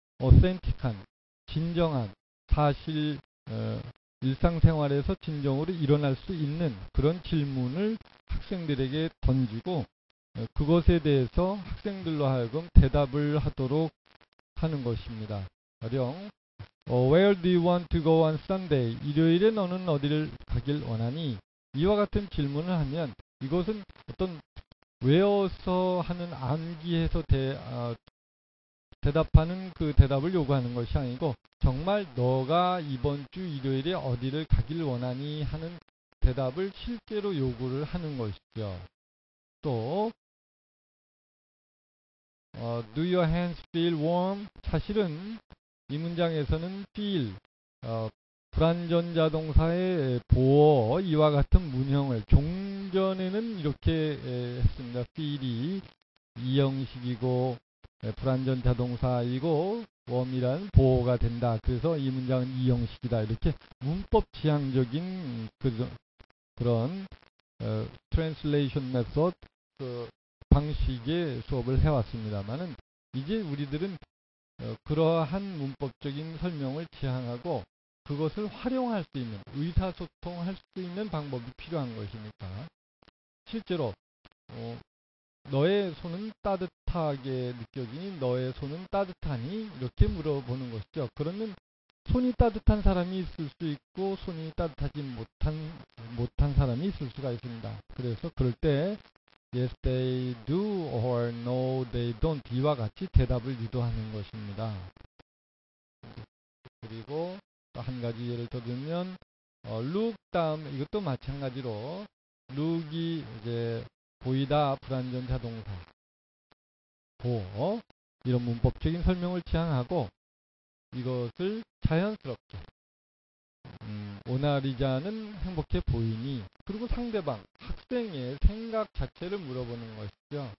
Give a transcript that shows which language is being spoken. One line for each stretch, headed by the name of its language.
Korean: 어센틱한 진정한 사실 일상생활에서 진정으로 일어날 수 있는 그런 질문을 학생들에게 던지고 그것에 대해서 학생들로 하여금 대답을 하도록 하는 것입니다. 가령
English: Where do you want to go on Sunday?
Korean: 일요일에 너는 어디를 가길 원하니? 이와 같은 질문을 하면 이것은 어떤 외워서 하는 암기해서 대답하는 그 대답을 요구하는 것이 아니고 정말 너가 이번 주 일요일에 어디를 가길 원하니 하는 대답을 실제로 요구를 하는 것이죠. 또
English: Do your hands feel warm?
Korean: 사실은 이 문장에서는 feel, 불완전자동사의 보어 이와 같은 문형을 종전에는 이렇게 했습니다. feel이 이형식이고 불완전자동사이고 warm이란 보어가 된다. 그래서 이 문장은 이형식이다. 이렇게 문법지향적인 그런 translation method 그 방식의 수업을 해왔습니다만은 이제 우리들은 그러한 문법적인 설명을 지향하고 그것을 활용할 수 있는 의사소통할 수 있는 방법이 필요한 것이니까 실제로 너의 손은 따뜻하게 느껴지니 너의 손은 따뜻하니 이렇게 물어보는 것이죠. 그러면 손이 따뜻한 사람이 있을 수 있고 손이 따뜻하지 못한 사람이 있을 수가 있습니다. 그래서 그럴 때
English: Yes, they do or no, they don't.
Korean: 이와 같이 대답을 유도하는 것입니다. 그리고 또 한 가지 예를 더 들면 look 다음 이것도 마찬가지로 look이 이제 보이다 불완전자동사 이런 문법적인 설명을 지향하고 이것을 자연스럽게 모나리자는 행복해 보이니 그리고 상대방 학생의 생각 자체를 물어보는 것이죠.